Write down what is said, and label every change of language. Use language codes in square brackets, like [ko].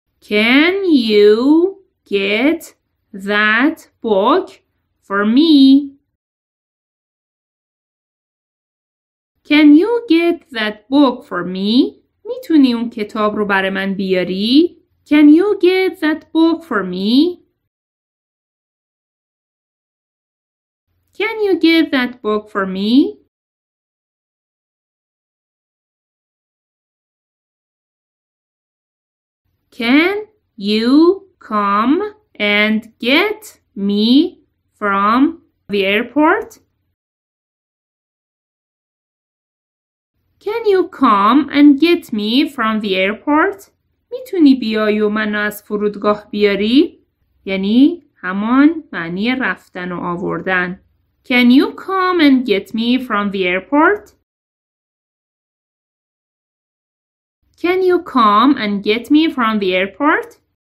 [en] Can you get that book for me? Can you get that book for me? [fa] میتونی اون کتاب رو برای من بیاری؟ [en] Can you get that book for me? Can you get that book for me? Can you come and get me from the airport? Can you come and get me from the airport? [fa] میتونی بیای و منو از فرودگاه بیاری؟ یعنی همان معنی رفتن و آوردن. [en] Can you come and get me from the airport? Can you come and get me from the airport?